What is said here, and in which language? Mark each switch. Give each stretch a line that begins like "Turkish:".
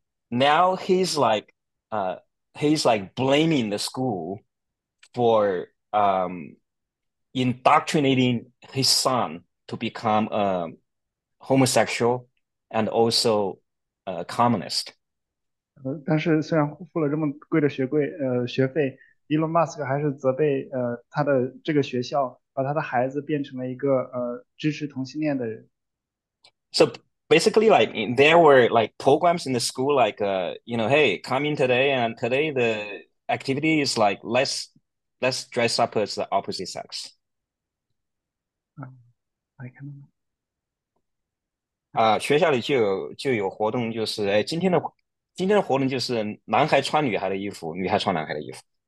English: Now he's like blaming the school for indoctrinating his son to become a homosexual and also a communist.
Chinese: 但是虽然付了这么贵的学费，Elon Musk 还是责备他的这个学校把他的孩子变成了一个支持同性恋的人。
English: So basically, like there were like programs in the school, like hey, come in today, and today the activity is like let's dress up as the opposite sex. I cannot.
Chinese: 学校里就有活动，就是哎，今天的活动就是男孩穿女孩的衣服，女孩穿男孩的衣服。